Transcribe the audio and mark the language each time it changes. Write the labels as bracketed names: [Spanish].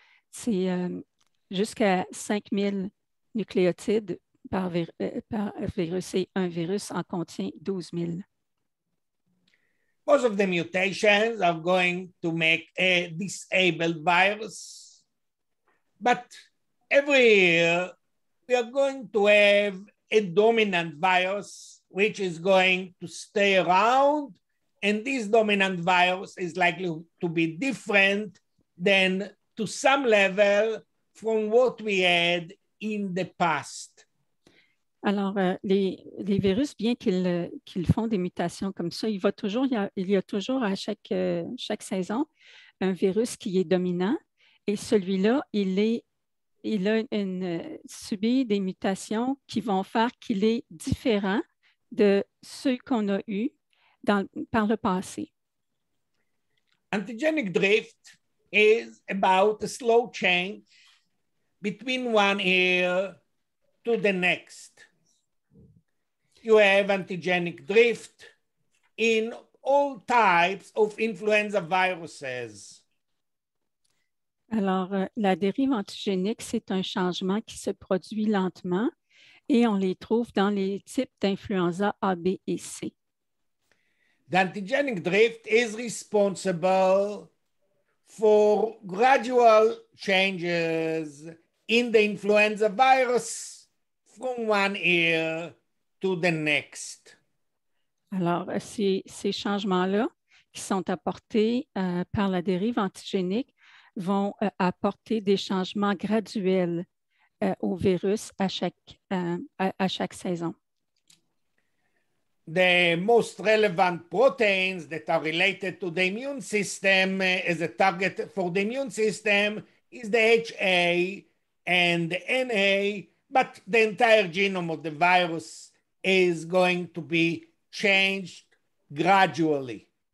[French] C'est jusqu'à 5,000 nucléotides par virus, et un virus en contient 12 000. [English] Most of the mutations are going to make a disabled virus, but every year we are going to have a dominant virus which is going to stay around, and this dominant virus is likely to be different than to some level from what we had in the past. [French] Alors, les virus, bien qu'ils font des mutations comme ça, il y a toujours à chaque saison un virus qui est dominant, et celui-là, il a subi des mutations qui vont faire qu'il est différent de ceux qu'on a eu par le passé. [English] Antigenic drift is about a slow change between one year to the next. You have antigenic drift in all types of influenza viruses. [French] Alors, la dérive antigénique, c'est un changement qui se produit lentement, et on les trouve dans les types d'influenza A, B et C. [English] The antigenic drift is responsible for gradual changes in the influenza virus from one year to the next. [French] Alors, ces changements-là qui sont apportés par la dérive antigénique vont apporter des changements graduels au virus à chaque saison. [English] The most relevant proteins that are related to the immune system as a target for the immune system is the HA and the NA, but the entire genome of the virus is going to be changed gradually.